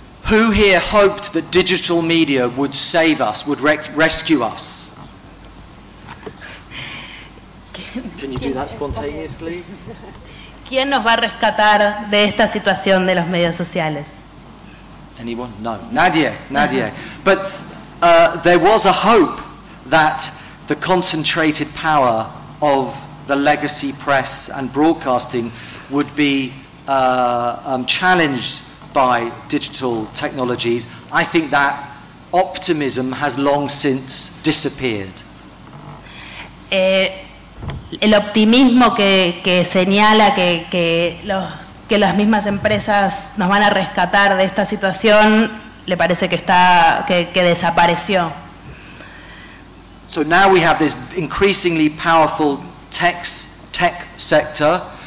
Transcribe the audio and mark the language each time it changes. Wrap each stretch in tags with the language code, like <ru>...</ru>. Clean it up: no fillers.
<en>Who here hoped that digital media would save us, would rescue us? Can you do that spontaneously?</en> <es>¿Quién nos va a rescatar de esta situación de los medios sociales?</es> <en>Anyone? No.</en> <es>Nadie.</es> <en>But there was a hope that the concentrated power of the legacy press and broadcasting would be challenged by digital technologies. I think that optimism has long since disappeared.</en> <es>El optimismo que señala que las mismas empresas nos van a rescatar de esta situación, le parece que desapareció.</es> <en>So now we have this increasingly powerful tech sector.</en>